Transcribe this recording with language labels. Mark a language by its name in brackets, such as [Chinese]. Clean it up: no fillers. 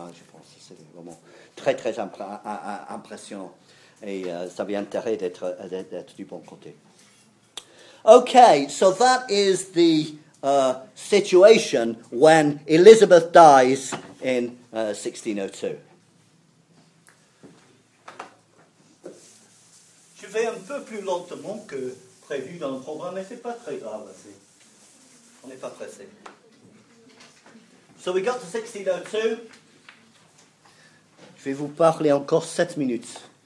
[French] Je pense que c'est vraiment très, très impressionnant. Et ça avait intérêt d'être du bon côté. [English] Okay, so that is the situation when Elizabeth dies in 1602. [French] Je vais un peu plus lentement que prévu dans le programme, mais c'est pas très grave. On n'est pas pressé. [English] So we got to 1602. [French] Je vais vous parler encore 7 minutes.